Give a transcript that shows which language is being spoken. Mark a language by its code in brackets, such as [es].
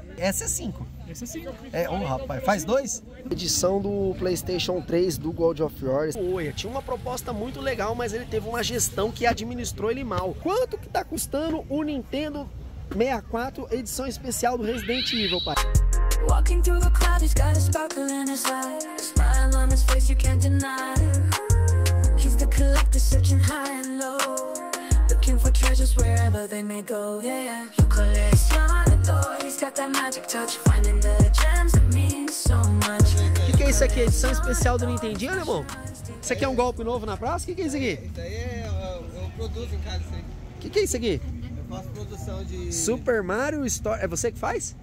[pt] Essa é 5. Esse sim. É, um rapaz, faz dois? Edição do PlayStation 3 do God of War. Oi, tinha uma proposta muito legal, mas ele teve uma gestão que administrou ele mal. Quanto que tá custando o Nintendo 64 edição especial do Resident Evil, pai? [en] Walking through the clouds, he's got a sparkle in his eyes. Smile on his face, you can't deny. He's the collector searching high and low. For treasures wherever they may go, yeah, yeah. You collecionador, he's got that magic touch. Finding the gems that mean so much. [pt] O que é isso aqui? Edição especial do Nintendinho, né, irmão? Isso aqui é um golpe novo na praça? O que é isso aqui? Isso aí é um produto em casa, isso aí. O que é isso aqui? Faço produção de... Super Mario Story... É você que faz?